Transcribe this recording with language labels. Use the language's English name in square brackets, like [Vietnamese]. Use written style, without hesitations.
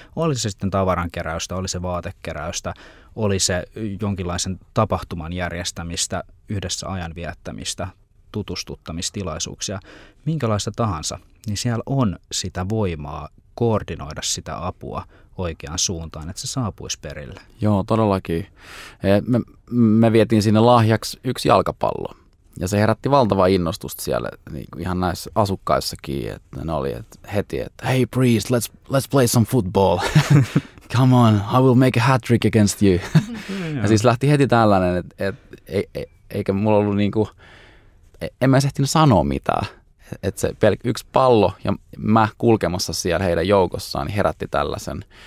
[Finnish] Oli se sitten tavarankeräystä, oli se vaatekeräystä, oli se jonkinlaisen tapahtuman järjestämistä, yhdessä ajan viettämistä, tutustuttamistilaisuuksia, minkälaista tahansa, niin siellä on sitä voimaa koordinoida sitä apua oikeaan suuntaan, että se saapuisi perille. Joo, todellakin. Me vietiin sinne lahjaksi yksi jalkapallo, ja se herätti valtavaa innostusta siellä niin kuin ihan näissä asukkaissakin, että ne oli heti, että [English] hey priest, let's play some football. Come on, I will make a hat trick against you. [Finnish] Ja siis lähti heti tällainen, että eikä mulla ollut niin kuin, en mä ehtinyt sanoa mitään. Että se yksi pallo ja mä kulkemassa siellä heidän joukossaan niin herätti tällaisen.